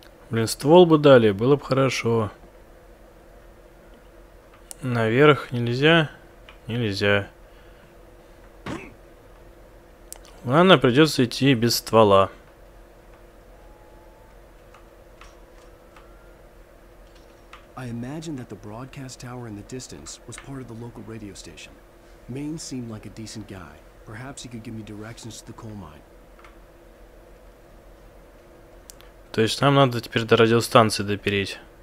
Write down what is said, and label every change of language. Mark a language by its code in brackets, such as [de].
[ru] Блин, ствол бы дали, было бы хорошо. Наверх нельзя? Нельзя. Ладно, придется идти без ствола. [en] I imagine that the broadcast tower in the distance was part of the local radio station. Main seemed like a decent guy. Perhaps he could give me directions to the coal mine. [ru] То есть нам надо теперь до радиостанции допереть.